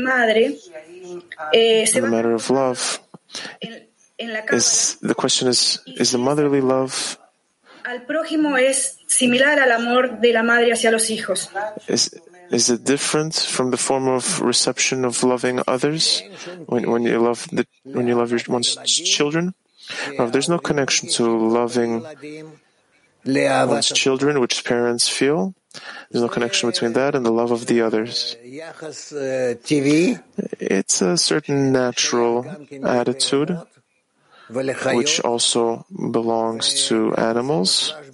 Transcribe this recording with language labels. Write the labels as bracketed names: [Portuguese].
[English] the matter of love, the question is the motherly love [Spanish] al prójimo es similar al amor de la madre hacia los hijos? [English] Is it different from the form of reception of loving others when you love one's children? Now, there's no connection to loving one's children, which parents feel. There's no connection between that and the love of the others. It's a certain natural attitude, which also belongs to animals.